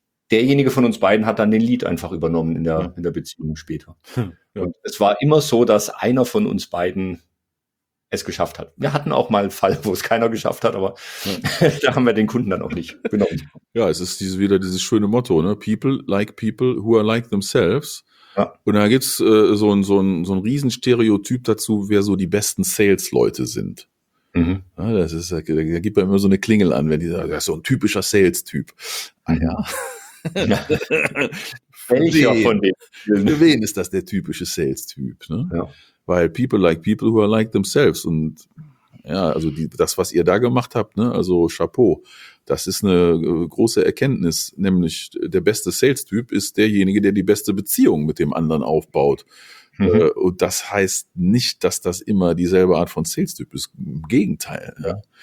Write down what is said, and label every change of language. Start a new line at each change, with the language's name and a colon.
German: Derjenige von uns beiden hat dann den Lead einfach übernommen in der Beziehung später. Ja. Und es war immer so, dass einer von uns beiden es geschafft hat. Wir hatten auch mal einen Fall, wo es keiner geschafft hat, aber da haben wir den Kunden dann auch nicht genommen. Ja, es ist wieder dieses schöne Motto, ne?
English: People like people who are like themselves.
German: Ja. Und da gibt es so ein Riesenstereotyp dazu, wer so die besten Sales-Leute sind. Mhm. Ja, das ist, da gibt man immer so eine Klingel an, wenn die sagen, das ist so ein typischer Sales-Typ. Ah ja. Für wen ist das der typische Sales-Typ? Ne? Ja.
English: Weil people like people who are like themselves.
German: Und ja, also das, was ihr da gemacht habt, ne, also Chapeau, das ist eine große Erkenntnis. Nämlich der beste Sales-Typ ist derjenige, der die beste Beziehung mit dem anderen aufbaut. Mhm. Und das heißt nicht, dass das immer dieselbe Art von Sales-Typ ist. Im Gegenteil. Ja. Ja.